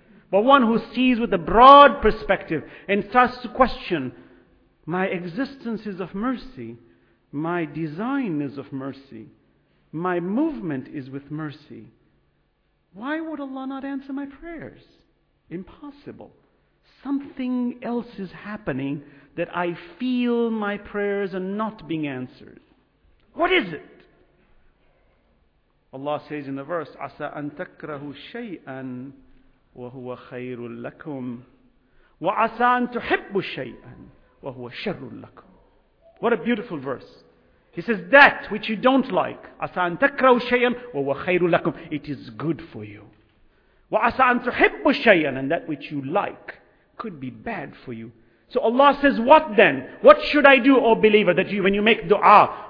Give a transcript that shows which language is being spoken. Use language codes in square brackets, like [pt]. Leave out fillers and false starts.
[en] But one who sees with a broad perspective and starts to question, my existence is of mercy, my design is of mercy, my movement is with mercy. Why would Allah not answer my prayers? Impossible. Something else is happening that I feel my prayers are not being answered. What is it? Allah says in the verse, [ar] عَسَىٰ أَن تَكْرَهُ شَيْئًا وَهُوَ خَيْرٌ لَكُمْ وَعَسَىٰ أَن تُحِبُّ شَيْئًا وَهُوَ شَرٌ لَكُمْ. [en] What a beautiful verse. He says, that which you don't like, [ar] عَسَىٰ أَن تَكْرَهُ شَيْئًا وَهُوَ خَيْرٌ لَكُمْ. [en] It is good for you. [ar] وَعَسَىٰ أَن تُحِبُّ شَيْئًا, [en] and that which you like could be bad for you. So Allah says, what then? What should I do, O believer, that you, when you make dua?